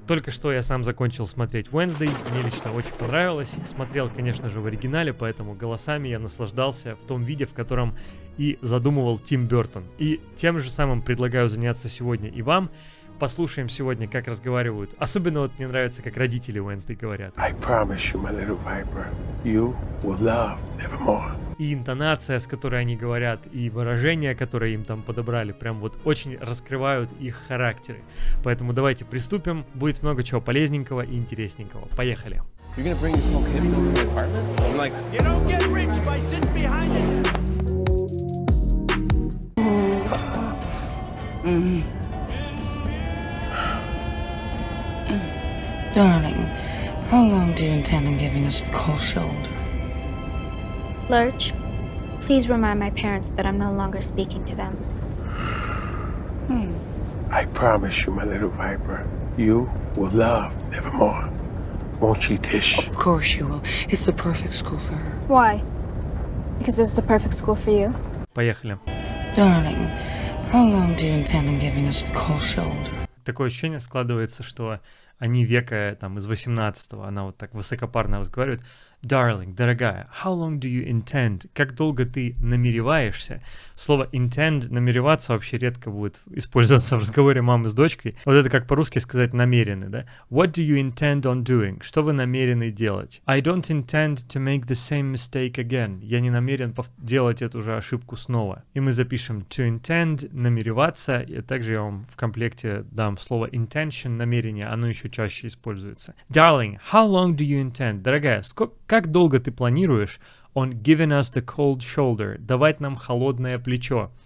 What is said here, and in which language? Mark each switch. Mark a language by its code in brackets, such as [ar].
[ru] Только что я сам закончил смотреть Wednesday. Мне лично очень понравилось. Смотрел, конечно же, в оригинале, поэтому голосами я наслаждался в том виде, в котором и задумывал Тим Бёртон. И тем же самым предлагаю заняться сегодня и вам. Послушаем сегодня, как разговаривают. Особенно вот мне нравится, как родители Wednesday говорят. [en] I promise you, my little viper, you will love nevermore. [ru] И интонация, с которой они говорят, и выражения, которые им там подобрали, прям вот очень раскрывают их характеры. Поэтому давайте приступим. Будет много чего полезненького и интересненького. Поехали. [en] Darling, how long do you intend on giving us the cold shoulder? Lurch, please remind my parents that I'm no longer speaking to them. I promise you, my little viper, you will love nevermore. Won't she, Tish? Of course you will. It's the perfect school for her. Why? Because it was the perfect school for you? [ru] Поехали. [en] Darling, how long do you intend on giving us the cold shoulder? [ru] Такое ощущение складывается, что они века там из 18-го, она вот так высокопарно разговаривает. [en] Darling, [ru] дорогая, [en] how long do you intend? [ru] Как долго ты намереваешься? Слово intend, намереваться, вообще редко будет использоваться в разговоре мамы с дочкой. Вот это как по-русски сказать намерены, да? [en] What do you intend on doing? [ru] Что вы намерены делать? [en] I don't intend to make the same mistake again. [ru] Я не намерен делать эту же ошибку снова. И мы запишем [en] to intend, [ru] намереваться. И также я вам в комплекте дам слово intention, намерение. Оно еще чаще используется. [en] Darling, how long do you intend? [ru] Дорогая, сколько... Как долго ты планируешь [en] on giving us the cold shoulder, [ru] давать нам холодное плечо?